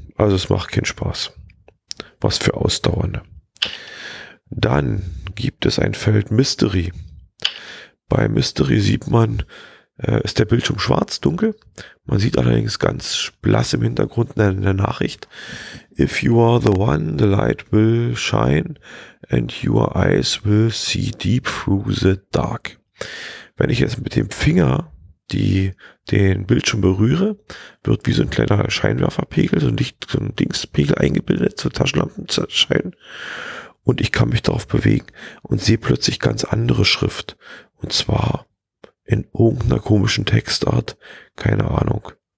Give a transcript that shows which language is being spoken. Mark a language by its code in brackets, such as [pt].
[de] Also es macht keinen Spaß. Was für Ausdauernde. Dann gibt es ein Feld Mystery. Bei Mystery sieht man, ist der Bildschirm schwarz, dunkel. Man sieht allerdings ganz blass im Hintergrund eine Nachricht. [en] If you are the one, the light will shine and your eyes will see deep through the dark. [de] Wenn ich jetzt mit dem Finger den Bildschirm berühre, wird wie so ein kleiner Scheinwerferpegel, so ein Dingspegel eingebildet, so Taschenlampenschein. Und ich kann mich darauf bewegen und sehe plötzlich ganz andere Schrift. Und zwar in irgendeiner komischen Textart. Keine Ahnung.